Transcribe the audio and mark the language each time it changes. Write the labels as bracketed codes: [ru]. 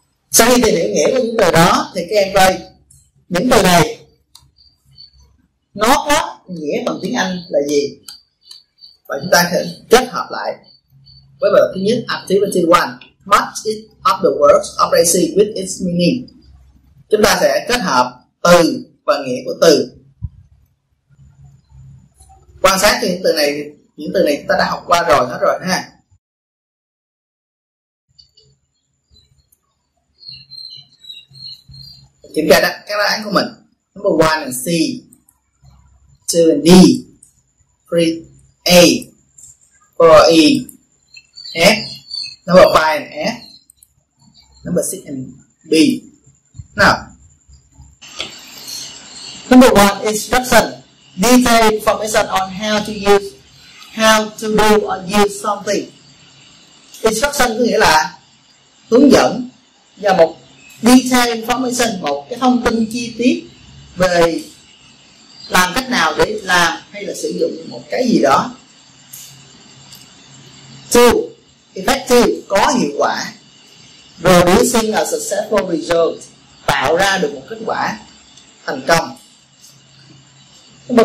[vi] Sau khi tìm hiểu nghĩa của những từ đó thì các em coi những từ này nó có nghĩa bằng tiếng Anh là gì, và chúng ta sẽ kết hợp lại với bài thứ nhất. [en] Activity 1: Match each of the words of Racy with its meaning. [vi] Chúng ta sẽ kết hợp từ và nghĩa của từ. Quan sát những từ này, những từ này ta đã học qua rồi hết rồi ha. Kiểm tra các đáp án của mình. Number 1 là C, 2 là D, 3 A, 4 E, F, number 5 là F, number 6 là B. [en] Now, number 1 instruction, detailed information on how to use, how to do or use something. [vi] Instruction có nghĩa là hướng dẫn và một [en] detail information, [vi] một cái thông tin chi tiết về làm cách nào để làm hay là sử dụng một cái gì đó. 2. Effective, có hiệu quả. [en] Producing a successful result, [vi] tạo ra được một kết quả thành công. 3.